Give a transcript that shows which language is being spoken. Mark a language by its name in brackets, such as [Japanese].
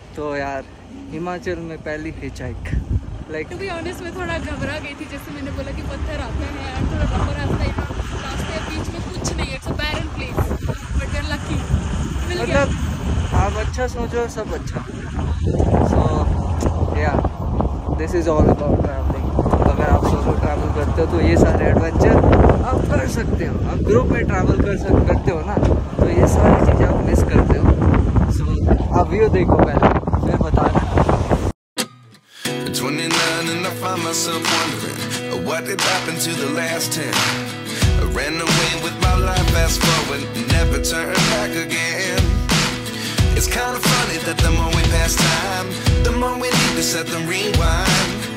[Hindi] तो यार हिमाचल में पहली hitch hike, [English] like to be honest [Hindi] मैं थोड़ा घबरा गई थी, जैसे मैंने बोला कि पत्थर आते हैं यार, थोड़ा डर रहा था यहां रास्ते के बीच में कुछ नहीं है, [English] it's a barren place, but you are lucky, [Hindi] मतलब आप अच्छा सोचो सब अच्छा। [English] So yeah This is all about traveling. [Hindi] अगर आप solo travel करते हो तो ये सारे adventure आप कर सकते हो, आप group में travel करते हो ना तो ये सारी चीज़ें आप miss करते हो। So आप view देखो पहले, फिर बता रहा हूँ। [English] 29 and I find myself wondering what did happen to the last 10. I ran away with my life fast forward, never turn back again. It's kind of funny that the more we pass time, the more we need to set them rewind.